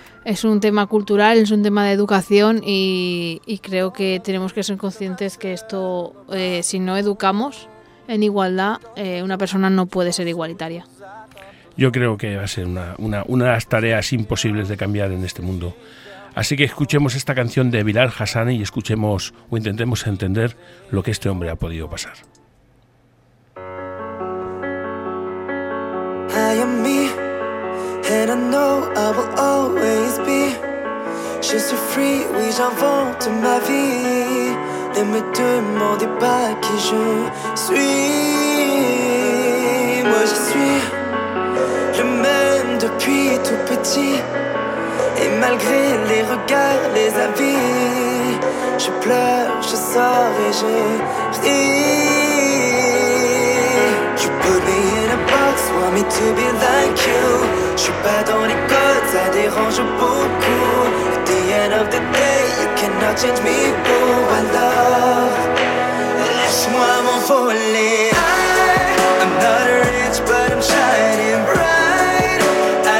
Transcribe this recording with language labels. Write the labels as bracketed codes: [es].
[es] Es un tema cultural, es un tema de educación, y creo que tenemos que ser conscientes que esto, si no educamos en igualdad, una persona no puede ser igualitaria. Yo creo que va a ser una de las tareas imposibles de cambiar en este mundo. Así que escuchemos esta canción de Bilal Hassani y escuchemos o intentemos entender lo que este hombre ha podido pasar. [en] I am me, and I know I will always be. [fr] Je suis free, oui, j'invente ma vie. Ne me demandez pas qui je suis. Moi je suis le même depuis tout petit. Et malgré les regards, les avis, je pleure, je sors et je ris. [en] You put me in a box, want me to be like you. [fr] J'suis pas dans les codes, ça dérange beaucoup. [en] At the end of the day, you cannot change me, boo. [fr] Alors, laisse-moi m'envoler. [en] I'm not rich, but I'm shining bright.